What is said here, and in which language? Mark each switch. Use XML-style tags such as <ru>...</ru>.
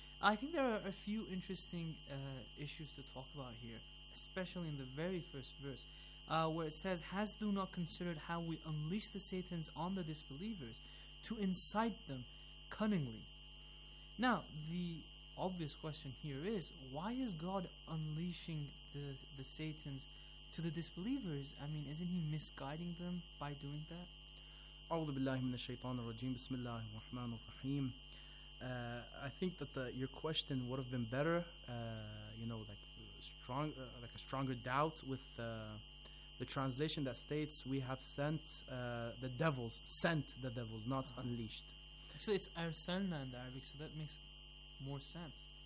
<en>I think there are a few interesting issues to talk about here, especially in the very first verse, where it says, "Hast thou not considered how we unleash the Satans on the disbelievers to incite them cunningly?" Now, the obvious question here is, why is God unleashing the Satans to the disbelievers? I mean, isn't he misguiding them by doing that?</en> <ar>أعوذ بالله من الشيطان الرجيم بسم الله الرحمن الرحيم.</ar> <en>I think that your question would have been better, like a stronger doubt with the translation that states we have sent the devils, sent the devils, not unleashed. So it's arsalna in the Arabic, so that makes more sense.</en>